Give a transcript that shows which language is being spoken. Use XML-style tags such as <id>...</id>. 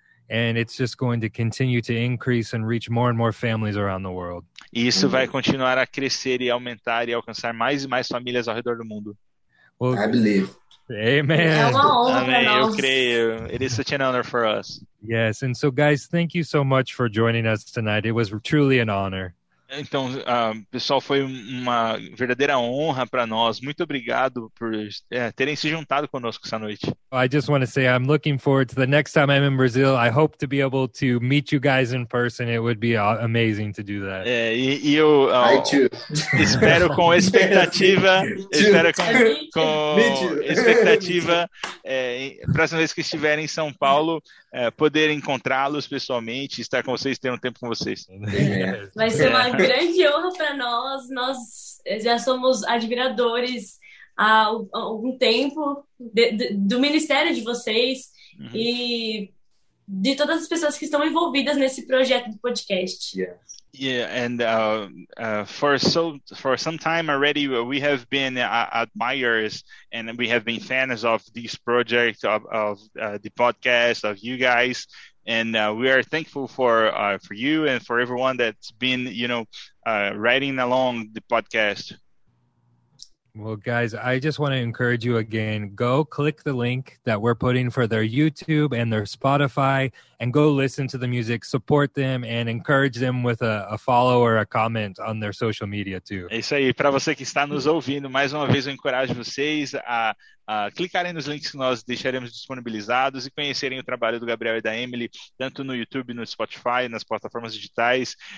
<en>And it's just going to continue to increase and reach more and more families around the world.</en> <pt>E isso vai continuar a crescer e aumentar e alcançar mais e mais famílias ao redor do mundo.</pt> <en>Well, I believe. Amen.</en> <pt>É uma honra para nós. Eu creio.</pt> <en>It is such an honor for us. Yes, and so guys, thank you so much for joining us tonight. It was truly an honor.</en> <pt>Então, pessoal, foi uma verdadeira honra para nós. Muito obrigado por terem se juntado conosco essa noite.</pt> <en>I just want to say I'm looking forward to the next time I'm in Brazil. I hope to be able to meet you guys in person. It would be amazing to do that.</en> <pt>E eu espero com expectativa. Espero com expectativa. Próxima vez que estiver em São Paulo, poder encontrá-los pessoalmente, estar com vocês, ter um tempo com vocês. Vai ser uma grande honra para nós. Nós já somos admiradores há algum tempo do ministério de vocês. E de todas as pessoas que estão envolvidas nesse projeto do podcast.</pt> <en>Yes. Yeah, and for some time already, we have been admirers and we have been fans of this project, of the podcast, of you guys. And we are thankful for you and for everyone that's been, you know, writing along the podcast. Well, guys, I just want to encourage you again. Go click the link that we're putting for their YouTube and their Spotify and go listen to the music, support them and encourage them with a follow or a comment on their social media too.</en> <pt>É isso aí. Para você que está nos ouvindo, mais uma vez eu encorajo vocês a clicarem nos links que nós deixaremos disponibilizados e conhecerem o trabalho do Gabriel e da Emily, tanto no YouTube, no Spotify, nas plataformas digitais.</pt>